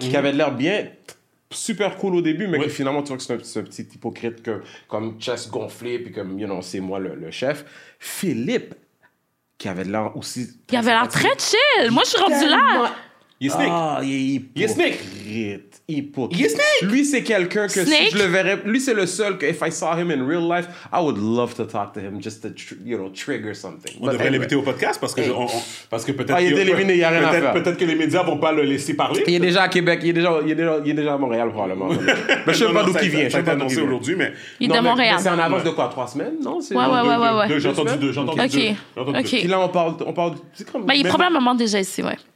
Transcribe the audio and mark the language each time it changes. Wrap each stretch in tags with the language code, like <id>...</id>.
<fr>Qui avait l'air bien, super cool au début, mais oui. Que finalement tu vois que c'est un petit hypocrite, que, comme chest gonflé, puis comme, you know, c'est moi le chef. Philippe. Qui avait l'air aussi... Il avait l'air très chill. Moi, je suis rendu là. Il est snake. Ah, il est hypocrite. Il est snake. Lui, c'est quelqu'un que snake. Si je le verrais... Lui, c'est le seul que,</fr> <en>if I saw him in real life, I would love to talk to him just to, you know, trigger something.</en> <fr>On But devrait l'inviter au podcast parce que... parce que peut-être... Ah, il est éliminé, il n'y a rien à faire. Peut-être que les médias ne vont pas le laisser parler. Il est déjà à Québec. Il est déjà à Montréal, probablement. Mais je ne sais pas d'où il vient. Ça a été annoncé aujourd'hui, mais... Il est de Montréal. C'est en avance de quoi? 3 semaines, non? Ouais. J'ai entendu deux. OK. Puis là, on parle... Il est probablement déjà ici, ouais.</fr>